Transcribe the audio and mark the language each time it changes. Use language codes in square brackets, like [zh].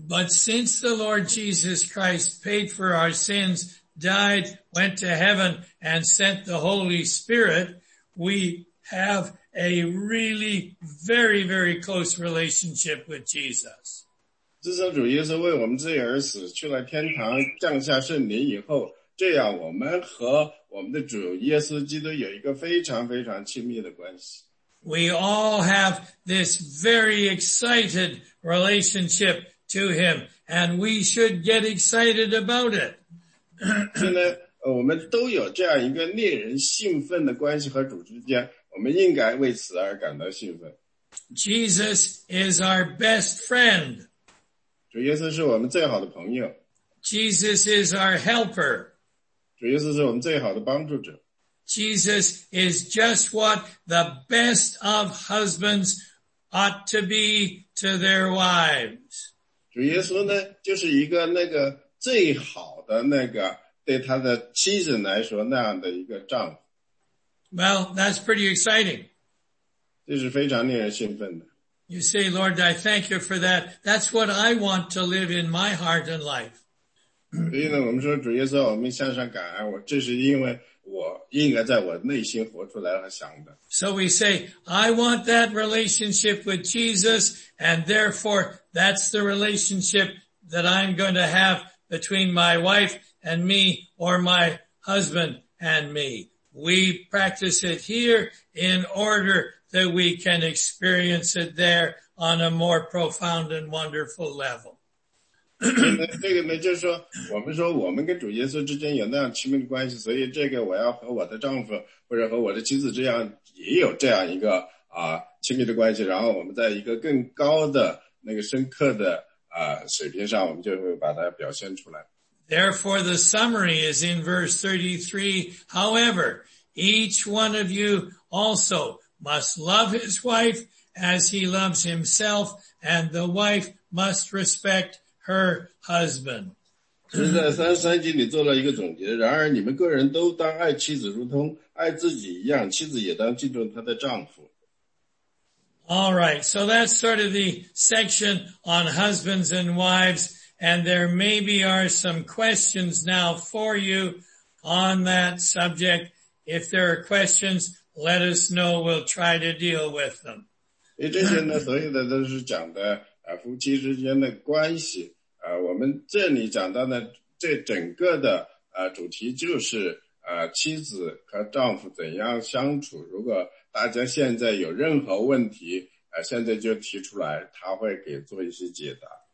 [en] But since the Lord Jesus Christ paid for our sins,died, went to heaven, and sent the Holy Spirit, we have a really very, very close relationship with Jesus. [zh] 自从主耶稣为我们罪而死，去了天堂，降下圣灵以后，这样我们和我们的主耶稣基督有一个非常非常亲密的关系。 [en] We all have this very excited relationship to him, and we should get excited about it. [zh] 现在我们都有这样一个令人兴奋的关系和主之间，我们应该为此而感到兴奋。 [en] Jesus is our best friend. [zh] 主耶稣是我们最好的朋友。 [en] Jesus is our helper. [zh] 主耶稣是我们最好的帮助者。 [en] Jesus is just what the best of husbands ought to be to their wives. [zh] 主耶稣呢，就是一个那个最好的那个对他的妻子来说那样的一个丈夫。 [en] Well, that's pretty exciting. [zh] 这是非常令人兴奋的。 [en] You say, Lord, I thank you for that. That's what I want to live in my heart and life. [zh] 所以呢，我们说主耶稣，我们向上感恩，我这是因为我应该在我内心活出来和想的。 [en] So we say, I want that relationship with Jesus, and therefore that's the relationship that I'm going to have. Between my wife and me, or my husband and me. We practice it here in order that we can experience it there on a more profound and wonderful level. [zh] 这个呢，就是说，我们说我们跟主耶稣之间有那样亲密的关系，所以这个我要和我的丈夫或者和我的妻子这样也有这样一个啊亲密的关系，然后我们在一个更高的那个深刻的水平上我们就会把它表现出来。 [en] Therefore, the summary is in verse 33. However, each one of you also must love his wife as he loves himself, and the wife must respect her husband. [zh] 在33节里做了一个总结，然而你们个人都当爱妻子如同爱自己一样，妻子也当敬重她的丈夫。 [en] All right, so that's sort of the section on husbands and wives, and there maybe are some questions now for you on that subject. If there are questions, let us know. We'll try to deal with them. [zh] 这些呢，所有的都是讲的夫妻之间的关系。我们这里讲到的这整个的主题就是妻子和丈夫怎样相处。如果大家现在有任何问题，现在就提出来，他会给做一些解答。